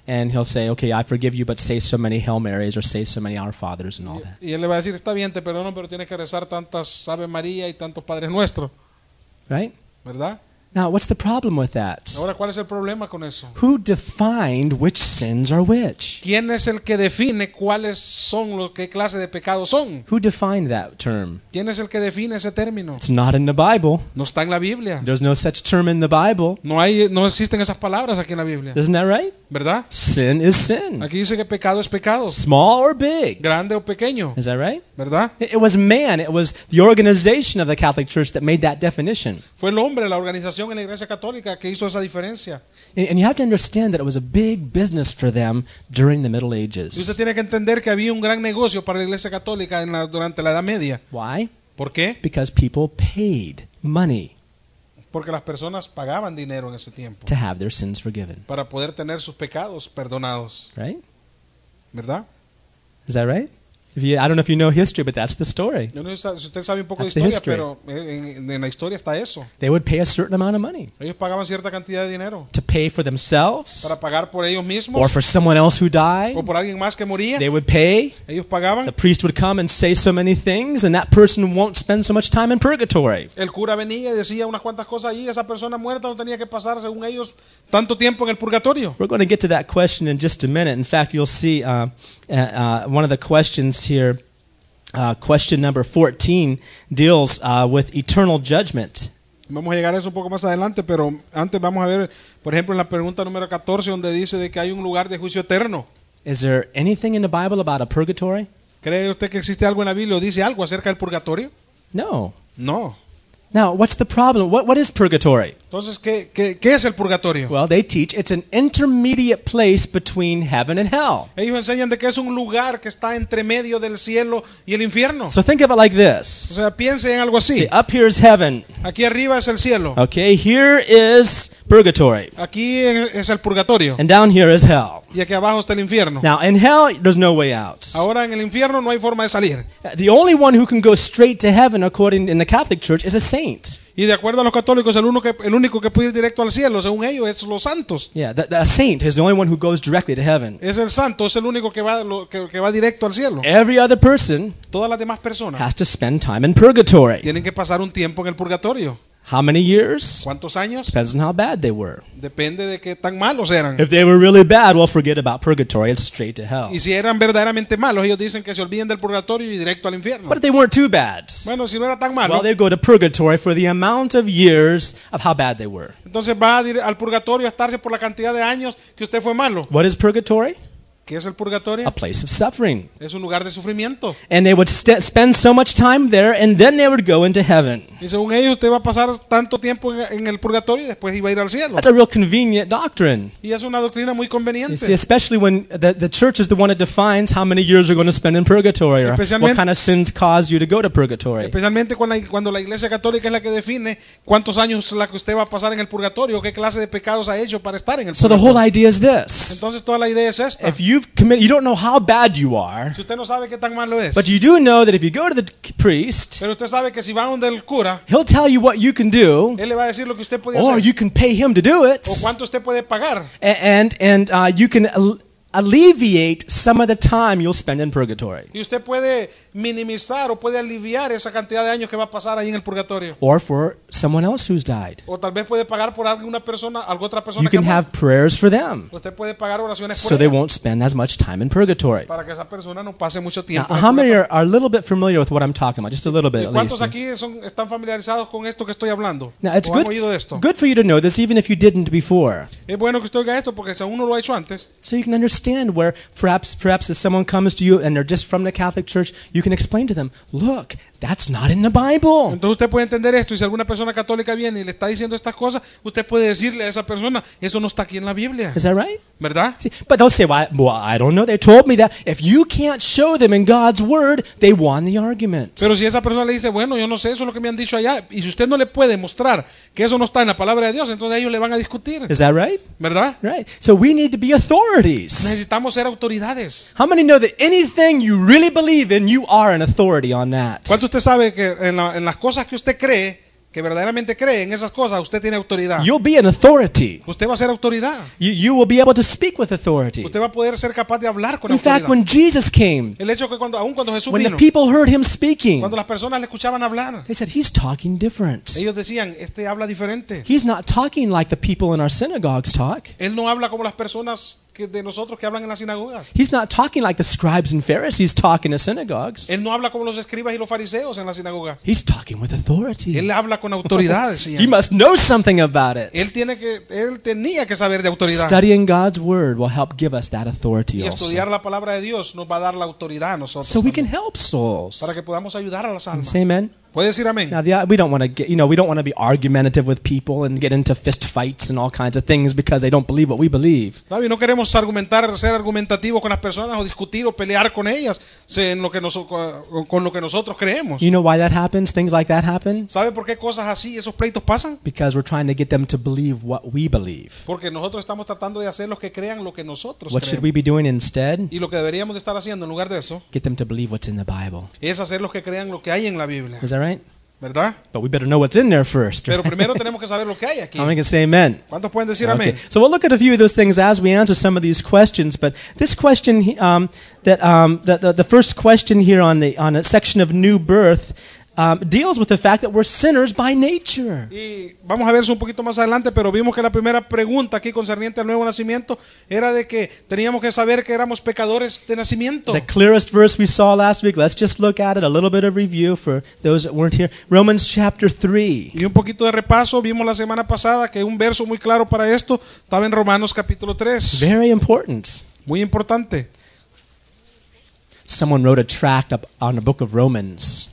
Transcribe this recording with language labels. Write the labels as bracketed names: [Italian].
[English] And he'll say, okay, I forgive you, but say so many Hail Marys or say so many Our Fathers and all that. [Spanish] Y él le va a decir, está bien, te perdono, pero tienes que rezar tantas Ave María y tantos Padres Nuestros. [English] Right? [Spanish] ¿Verdad? [English] Now, what's the problem with that? [Spanish] Ahora, ¿cuál es el problema con eso? [English] Who defined which sins are which? [Spanish] ¿Quién es el que define cuáles son los qué clase de pecados son? [English] Who defined that term? [Spanish] ¿Quién es el que define ese término? [English] It's not in the Bible. [Spanish] No está en la Biblia. [English] There's no such term in the Bible. [Spanish] No existen esas palabras aquí en la Biblia. [English] Isn't that right? [Spanish] ¿Verdad? [English] Sin is sin. [Spanish] Aquí dice que pecado es pecado. [English] Small or big. [Spanish] Grande o pequeño. [English] Is that right? [Spanish] ¿Verdad? [English] It was man. It was the organization of the Catholic Church that made that definition. [Spanish] Fue el hombre, la organización en la Iglesia Católica que hizo esa diferencia. [English] And you have to understand that it was a big business for them during the Middle Ages. [Spanish] Usted tiene que entender que había un gran negocio para la Iglesia Católica durante la Edad Media. [English] Why? [Spanish] ¿Por qué? [English] Because people paid money. [Spanish] Porque las personas pagaban dinero en ese tiempo. [English] To have their sins forgiven. [Spanish] Para poder tener sus pecados perdonados. [English] Right? [Spanish] ¿Verdad? [English] Is that right? I don't know if you know history, but that's the story. That's the history. [Spanish] Pero en la historia está eso. [English] They would pay a certain amount of money. [Spanish] Ellos pagaban cierta cantidad de dinero. [English] To pay for themselves. [Spanish] Para pagar por ellos mismos. [English] Or for someone else who died. [Spanish] O por alguien más que moría. [English] They would pay. [Spanish] Ellos pagaban. [English] The priest would come and say so many things, and that person won't spend so much time in purgatory. [Spanish] El cura venía y decía unas cuantas cosas allí. Esa persona muerta no tenía que pasar, según ellos, tanto tiempo en el purgatorio. [English] We're going to get to that question in just a minute. In fact, you'll see one of the questions here, question number 14 deals with eternal judgment. [Spanish] Vamos a llegar a eso un poco más adelante, pero antes vamos a ver, por ejemplo, en la pregunta número 14, donde dice de que hay un lugar de juicio eterno. [English] Is there anything in the Bible about a purgatory? [Spanish] ¿Cree usted que existe algo en la Biblia o dice algo acerca del purgatorio? [English] No. [Spanish] No. [English] Now, what's the problem? What is purgatory? [Spanish] Entonces, ¿qué es el purgatorio? [English] Well, they teach it's an intermediate place between heaven and hell. [Spanish] Ellos enseñan de que es un lugar que está entre medio del cielo y el infierno. [English] So think of it like this. [Spanish] O sea, piense en algo así. [English] See, up here is heaven. [Spanish] Aquí arriba es el cielo. [English] Okay, here is purgatory. [Spanish] Aquí es el purgatorio. [English] And down here is hell. [Spanish] Y aquí abajo está el infierno. [English] Now, in hell, there's no way out. [Spanish] Ahora, en el infierno, no hay forma de salir. [English] The only one who can go straight to heaven, according in the Catholic Church, is a saint. [Spanish] Y de acuerdo a los católicos, el único que puede ir directo al cielo, según ellos, es los santos. [English] Yeah, the saint is the only one who goes directly to heaven. [Spanish] Es el santo, es el único que va directo al cielo. [English] Every other person, [Spanish] todas las demás personas, [English] has to spend time in purgatory. [Spanish] Tienen que pasar un tiempo en el purgatorio. [English] How many years? [Spanish] ¿Cuántos años? [English] Depends on how bad they were. [Spanish] Depende de qué tan malos eran. [English] If they were really bad, well, forget about purgatory. It's straight to hell. [Spanish] Y si eran verdaderamente malos, ellos dicen que se olviden del purgatorio y directo al infierno. [English] But if they weren't too bad, [Spanish] bueno, si no era tan malo, [English] well, they go to purgatory for the amount of years of how bad they were. [Spanish] Entonces va a ir al purgatorio a estarse por la cantidad de años que usted fue malo. [English] What is purgatory? [Spanish] ¿Qué es el purgatorio? [English] A place of suffering. [Spanish] Es un lugar de sufrimiento. [English] And they would spend so much time there, and then they would go into heaven. [Spanish] Y según ellos, usted va a pasar tanto tiempo en el purgatorio y después iba a ir al cielo. [English] That's a real convenient doctrine. [Spanish] Y es una doctrina muy conveniente. [English] You see, especially when the church is the one that defines how many years you're going to spend in purgatory, or what kind of sins caused you to go to purgatory. [Spanish] Especialmente cuando la Iglesia Católica es la que define cuántos años la que usted va a pasar en el purgatorio, qué clase de pecados ha hecho para estar en el purgatorio. [English] So the whole idea is this. [Spanish] Entonces toda la idea es esta. [English] If you commit, you don't know how bad you are. [Spanish] Si usted no sabe qué tan malo es. [English] But you do know that if you go to the priest, [Spanish] pero usted sabe que si va donde el cura, [English] he'll tell you what you can do. [Spanish] Él le va a decir lo que usted puede [English] or [Spanish] hacer. [English] You can pay him to do it. [Spanish] O cuánto usted puede pagar. [English] And you can alleviate some of the time you'll spend in purgatory. [Spanish] Y usted puede minimizar o puede aliviar esa cantidad de años que va a pasar ahí en el purgatorio. [English] Or for someone else who's died. [Spanish] O tal vez puede pagar por alguna persona, otra persona. [English] You can have prayers for them. [Spanish] Usted puede pagar oraciones por ella. [English] So they won't spend as much time in purgatory. [Spanish] Para que esa persona no pase mucho tiempo. [English] Now, how many are a little bit familiar with what I'm talking about? Just a little bit. [Spanish] ¿Y cuántos aquí están familiarizados con esto que estoy hablando? [English] Now, it's good, [Spanish] ¿han oído esto? [English] Good for you to know this, even if you didn't before. [Spanish] Es bueno que usted oiga esto porque si aún no lo ha hecho antes. [English] So you can understand where perhaps if someone comes to you and they're just from the Catholic Church, you can explain to them, look, That's not in the Bible. [Spanish] Entonces usted puede entender esto, y si alguna persona católica viene y le está diciendo estas cosas, usted puede decirle a esa persona, eso no está aquí en la Biblia. [English] Is that right? [Spanish] ¿Verdad? [English] See, but they'll say, well, I don't know. They told me that. If you can't show them in God's word, they won the argument. [Spanish] Pero si esa persona le dice, bueno, yo no sé, eso es lo que me han dicho allá, y si usted no le puede mostrar que eso no está en la palabra de Dios, entonces ellos le van a discutir. [English] Is that right? [Spanish] ¿Verdad? [English] Right. So we need to be authorities. [Spanish] Necesitamos ser autoridades. [English] How many know that anything you really believe in, you are an authority on that? [Spanish] ¿Cuánto usted sabe que en las cosas que usted cree, que verdaderamente cree en esas cosas, usted tiene autoridad? [English] You'll be an authority. [Spanish] Usted va a ser autoridad. [English] You will be able to speak with authority. [Spanish] Usted va a poder ser capaz de hablar con [English] In [Spanish] autoridad. [English] Fact, when Jesus came, [Spanish] el hecho que cuando, aun cuando Jesús [English] when [Spanish] vino, [English] the people heard him speaking, [Spanish] cuando las personas le escuchaban hablar, [English] they said, he's talking different. [Spanish] Ellos decían, este habla diferente. [English] He's not talking like the people in our synagogues talk. [Spanish] Él no habla como las personas de nosotros que hablan en las sinagogas. [English] He's not talking like the scribes and Pharisees talk in the synagogues. [Spanish] Él no habla como los escribas y los fariseos en las sinagogas. [English] He's talking with authority. [Spanish] Él habla con autoridad, decían. [English] He must know something about it. [Spanish] Él tenía que saber de autoridad. [English] Studying God's word will help give us that authority also. [Spanish] Y estudiar la palabra de Dios nos va a dar la autoridad a nosotros. [English] So we can help souls. [Spanish] Para que podamos ayudar a las almas. [English] Say amen. [Spanish] ¿Puedes decir amén? [English] Now, we don't want to get, you know, we don't want to be argumentative with people and get into fist fights and all kinds of things because they don't believe what we believe. [Spanish] ¿Sabe? No queremos argumentar, ser argumentativos con las personas o discutir o pelear con ellas en lo que con lo que nosotros creemos. [English] You know why that happens? Things like that happen? [Spanish] ¿Sabe por qué cosas así, esos pleitos pasan? [English] Because we're trying to get them to believe what we believe. [Spanish] Porque nosotros estamos tratando de hacerlos que crean lo que nosotros creemos. [English] What should we be doing instead? [Spanish] Y lo que deberíamos de estar haciendo en lugar de eso. [English] Get them to believe what's in the Bible. [Spanish] Es hacerlos que crean lo que hay en la Biblia. [English] Is that right? [Spanish] ¿Verdad? [English] But we better know what's in there first. [Spanish] Pero primero tenemos que saber lo que hay aquí. [English] I'm going to say amen. [Spanish] ¿Cuántos pueden decir amén? [English] So we'll look at a few of those things as we answer some of these questions. But this question, the first question here on a section of new birth, deals with the fact that we're sinners by nature. [Spanish] Y vamos a ver eso un poquito más adelante, pero vimos que la primera pregunta aquí concerniente al nuevo nacimiento era de que teníamos que saber que éramos pecadores de nacimiento. [English] The clearest verse we saw last week, let's just look at it, a little bit of review for those that weren't here. Romans chapter 3. [Spanish] Y un poquito de repaso, vimos la semana pasada que un verso muy claro para esto estaba en Romanos capítulo 3. [English] Very important. [Spanish] Muy importante. [English] Someone wrote a tract on the book of Romans.